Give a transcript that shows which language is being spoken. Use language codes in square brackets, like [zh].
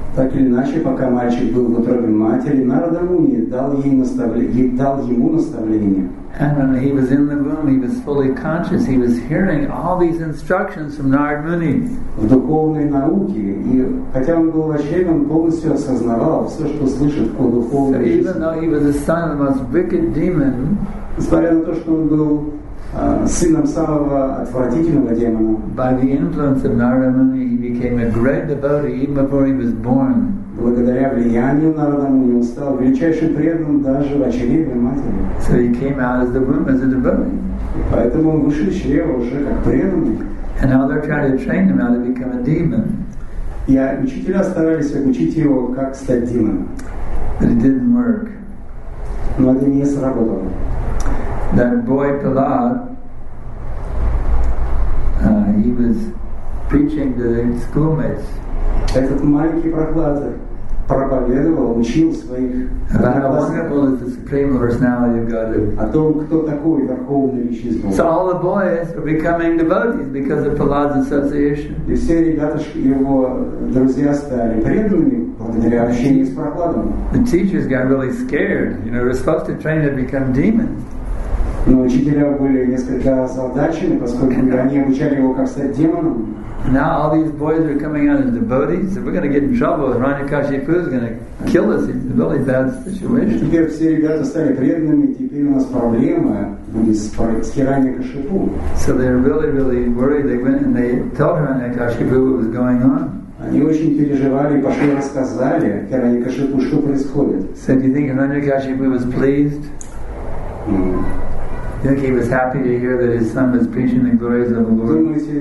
[ru] Так или иначе, пока мальчик был в утробе матери, Нарада Муни дал ему наставление. [en] And when he was in the womb, he was fully conscious. He was hearing all these instructions from Narada Muni. [ru] В духовной науке, и хотя он был очень, он полностью осознавал все, что слышит о духовной жизни. [en] So even though he was the son of the most wicked demon, [ru] несмотря на то, что он был сыном самого отвратительного демона, [en] by the influence of Narada Muni, he became a great devotee even before he was born. [ru] Благодаря влиянию Нарада Муни, он стал величайшим преданным даже в чреве матери. [en] So he came out of the womb as a devotee. [ru] Поэтому он вышел из чрева уже как преданный. [en] And now they're trying to train him how to become a demon. [ru] И учителя старались обучить его, как стать демоном. [en] But it didn't work. [ru] Но это не сработало. [en] That boy Prahlad, he was preaching to his schoolmates. [ru] Этот маленький Прохлад проповедовал, учил своих. [en] How wonderful is the supreme personality of Godhead. [ru] О том, кто такой верховный личность Бога. [en] So all the boys were becoming devotees because of Prahlad's association. [ru] И все ребята, его друзья стали преданными благодаря общению с Прохладом. [en] The teachers got really scared. You know, we're supposed to train to become demons. [ru] Но учителя были несколько озадачены, поскольку они обучали его, как стать демоном. [en] Now all these boys are coming out as devotees, so we're going to get in trouble. Hiranyakashipu is going to kill us. It's a really bad situation. [ru] Теперь все ребята стали преданными, теперь у нас проблема с Хиранякашипу. [en] So they're really, really worried. They went and they told Hiranyakashipu what was going on. [ru] Они очень переживали и пошли рассказали Хиранякашипу, что происходит. [en] So do you think Hiranyakashipu was pleased? I think he was happy to hear that his son was preaching the glories of the Lord.